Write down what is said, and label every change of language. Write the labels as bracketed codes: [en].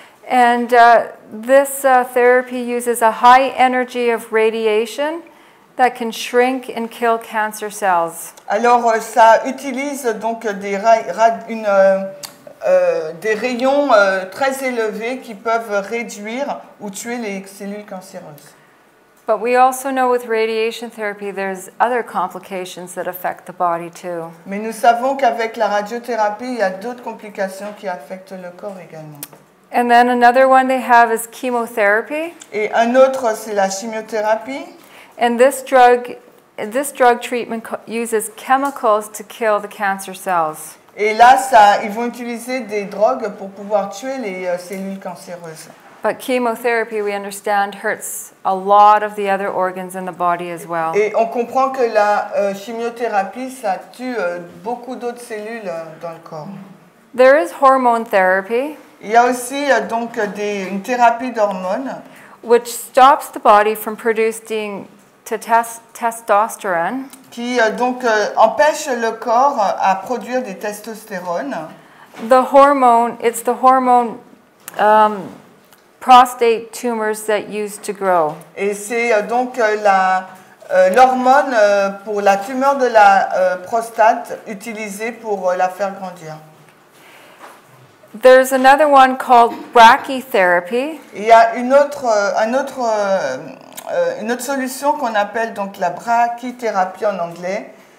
[en] And this therapy uses a high energy of radiation that can shrink and kill cancer cells. [fr] Alors ça utilise donc des rayons très élevés qui peuvent réduire ou tuer les cellules cancéreuses. [en] But we also know with radiation therapy there's other complications that affect the body too. [fr] Mais nous savons qu'avec la radiothérapie, il y a d'autres complications qui affectent le corps également. [en] And then another one they have is chemotherapy. [fr] Et un autre c'est la chimiothérapie. [en] And this drug treatment uses chemicals to kill the cancer cells. [fr] Et là ils vont utiliser des drogues pour pouvoir tuer les cellules cancéreuses. [en] But chemotherapy, we understand, hurts a lot of the other organs in the body as well. [fr] Et on comprend que la chimiothérapie, ça tue beaucoup d'autres cellules dans le corps. [en] There is hormone therapy. [fr] Il y a aussi donc une thérapie d'hormones. [en] Which stops the body from producing testosterone. [fr] Qui donc empêche le corps à produire des testostérones. [en] The hormone, it's the hormone prostate tumors that used to grow. [fr] Et c'est donc l'hormone pour la tumeur de la prostate utilisée pour la faire grandir. [en] There's another one called brachytherapy. [fr] Il y a une autre solution qu'on appelle donc la brachythérapie en anglais.